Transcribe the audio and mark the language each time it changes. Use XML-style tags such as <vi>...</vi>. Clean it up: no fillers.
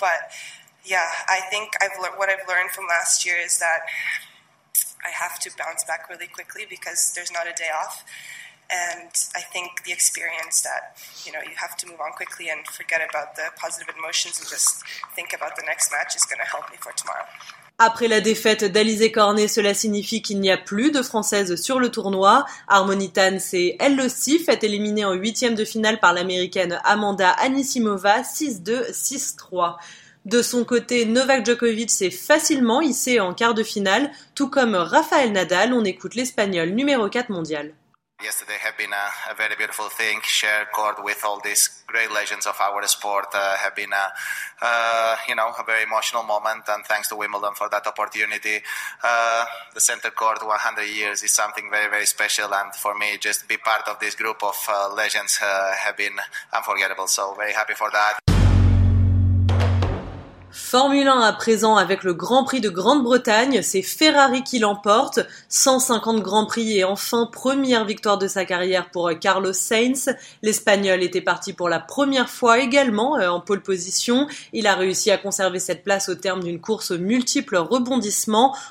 <en>But yeah, I think what I've learned from last year is that I have to bounce back really quickly because there's not a day off. And I think the experience that, you know, you have to move on quickly and forget about the positive emotions and just think about the next match is going to help me for tomorrow.</en> <fr>Après la défaite d'Alizé Cornet, cela signifie qu'il n'y a plus de Françaises sur le tournoi. Harmony Tan s'est elle aussi faite éliminer en huitième de finale par l'Américaine Amanda Anisimova, 6-2-6-3. De son côté, Novak Djokovic s'est facilement hissé en quart de finale, tout comme Rafael Nadal. On écoute l'Espagnol numéro 4 mondial.</fr> <en>Yesterday have been a very beautiful thing. Share court with all these great legends of our sport have been a very emotional moment. And thanks to Wimbledon for that opportunity. The center court 100 years is something very, very special. And for me, just be part of this group of legends have been unforgettable. So very happy for that.</en> <fr>Formule 1 à présent avec le Grand Prix de Grande-Bretagne, c'est Ferrari qui l'emporte, 150 Grands Prix et enfin première victoire de sa carrière pour Carlos Sainz. L'Espagnol était parti pour la première fois également en pole position, il a réussi à conserver cette place au terme d'une course aux multiples rebondissements.</fr>